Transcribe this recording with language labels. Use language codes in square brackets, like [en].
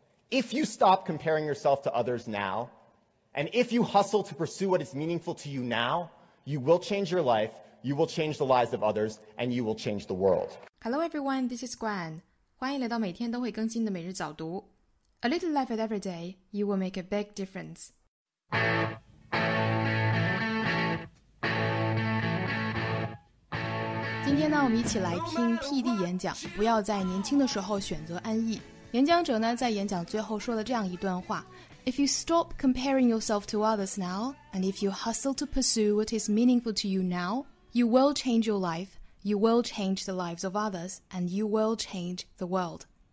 [en] If you stop comparing yourself to others now, and if you hustle to pursue what is meaningful to you now, you will change your life, you will change the lives of others, and you will change the world. Hello everyone, this is Gwen. [zh] 欢迎来到每天都会更新的每日早读。 [en] A little life at every day, you will make a big difference. Today, we're going to listen to PD's speech, Don't Choose Peace in Your Young Years. [zh] 演讲者呢在演讲最后说了这样一段话 [en] If you stop comparing yourself to others now, and if you hustle to pursue what is meaningful to you now, you will change your life, you will change the lives of others, and you will change the world.